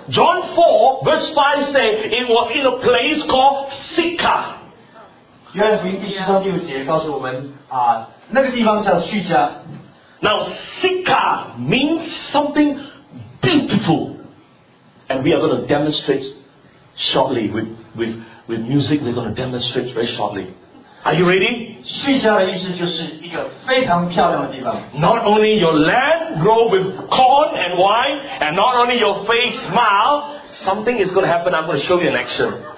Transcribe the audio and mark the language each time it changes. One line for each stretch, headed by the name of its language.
English: John 4 verse 5 says it was in a place called Sychar.
Chinese: 约翰福音第十章第五节告诉我们，那个地方叫叙加。
English: Now Sychar means something beautiful. And we are going to demonstrate shortly with music. We're going to demonstrate very shortly. Are you ready?
Chinese: 叙加的意思就是一个非常漂亮的地方.
English: Not only your land grow with corn and wine, and not only your face smile, something is going to happen. I'm going to show you an action.